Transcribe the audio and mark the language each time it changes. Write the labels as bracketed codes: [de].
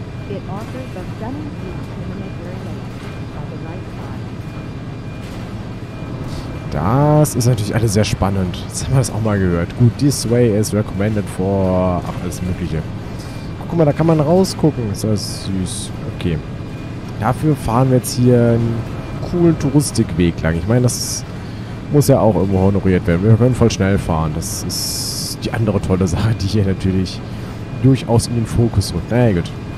[en] It offers a stunning view to the Mediterranean by the night sky. [de] Das ist natürlich alles sehr spannend. Jetzt haben wir das auch mal gehört. [en] Gut, this way is recommended for... [de] Ach, alles Mögliche. Guck mal, da kann man rausgucken. Ist das süß. Okay. Dafür fahren wir jetzt hier einen coolen Touristikweg lang. Ich meine, das muss ja auch irgendwo honoriert werden. Wir können voll schnell fahren. Das ist die andere tolle Sache, die hier natürlich durchaus in den Fokus rückt. Na ja, gut.